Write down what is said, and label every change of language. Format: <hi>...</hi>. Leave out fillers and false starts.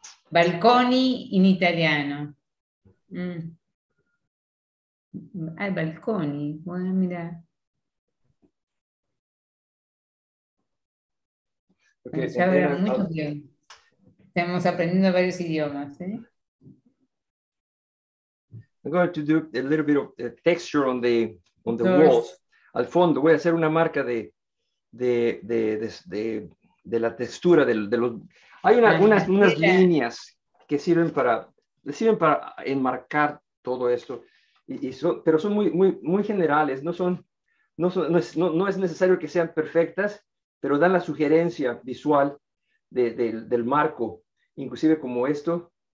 <es>Balconi en italiano. Ay, Balconi. Bueno, mira. Ya habrá mucho que estamos aprendiendo varios idiomas, ¿eh?</es> <en>I'm going to do a little bit of texture on the walls.</en> <es>Al fondo voy a hacer una marca de la textura de los. Hay unas líneas que sirven para enmarcar todo esto pero son muy muy muy generales, no es necesario que sean perfectas, pero dan la sugerencia visual del marco, inclusive como esto.</es>